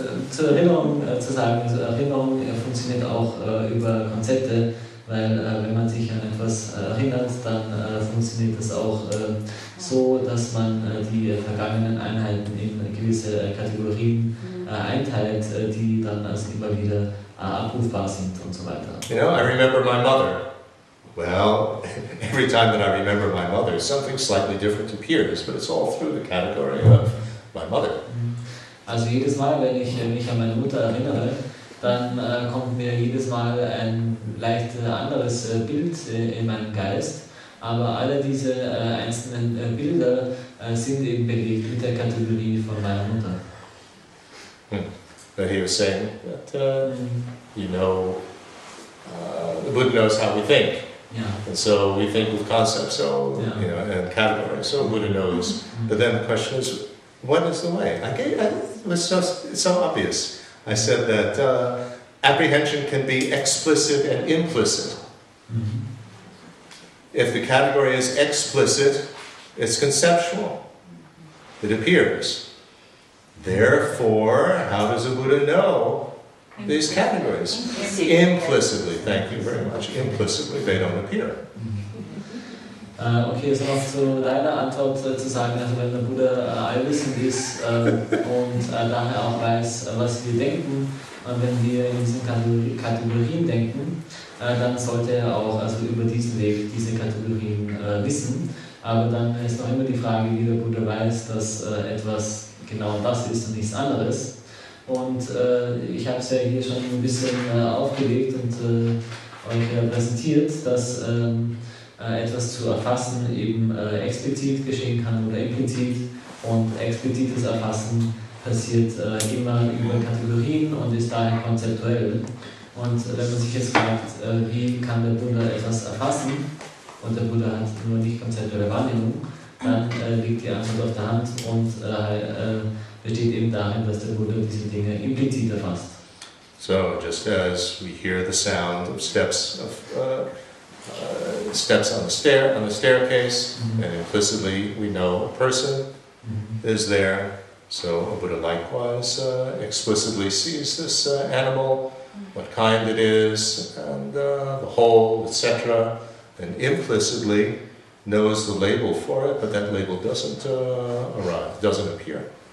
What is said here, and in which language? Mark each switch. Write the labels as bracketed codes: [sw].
[de] zur Erinnerung zu sagen, also Erinnerung funktioniert auch über Konzepte, weil wenn man sich an etwas erinnert, dann funktioniert das auch so, dass man die vergangenen Einheiten in gewisse Kategorien einteilt, die dann also immer wieder abrufbar sind und so weiter. [en] You know, I remember my mother. Well, every time that I remember my mother, something slightly different appears, but it's all through the category of my mother. [de] Also jedes Mal, wenn ich mich an meine Mutter erinnere, dann kommt mir jedes Mal ein leicht anderes Bild in meinen Geist. Aber alle diese einzelnen Bilder sind eben belegt mit der Kategorie von meiner Mutter. [en] But he was saying that, you know, the Buddha knows how we think. Yeah. And so we think with concepts, so, yeah. You know, and categories, so Buddha knows. Mm-hmm. But then the question is, what is the way? It's so obvious. I said that apprehension can be explicit and implicit. Mm-hmm. If the category is explicit, it's conceptual. It appears. Therefore, how does a Buddha know these categories? Implicitly. Thank you very much. Implicitly, they don't appear. [de] Okay, also noch zu deiner Antwort zu sagen, also wenn der Buddha allwissend ist und daher auch weiß, was wir denken, und wenn wir in diesen Kategorien denken, dann sollte er auch also über diesen Weg diese Kategorien wissen. Aber dann ist noch immer die Frage, wie der Buddha weiß, dass etwas genau das ist und nichts anderes. Und ich habe es ja hier schon ein bisschen aufgelegt und euch präsentiert, dass etwas zu erfassen eben explizit geschehen kann oder implizit, und explizites Erfassen passiert immer über Kategorien und ist daher konzeptuell. Und wenn man sich jetzt fragt, wie kann der Buddha etwas erfassen und der Buddha hat nur nicht konzeptuelle Wahrnehmung, dann liegt die Antwort auf der Hand und besteht eben darin, dass der Buddha diese Dinge implizit erfasst. [en] So, just as we hear the sound of steps of steps on the stair, on the staircase, mm-hmm. and implicitly we know a person mm-hmm. is there. So a Buddha likewise explicitly sees this animal, what kind it is, and the whole, etc., and implicitly knows the label for it, but that label doesn't arrive, doesn't appear.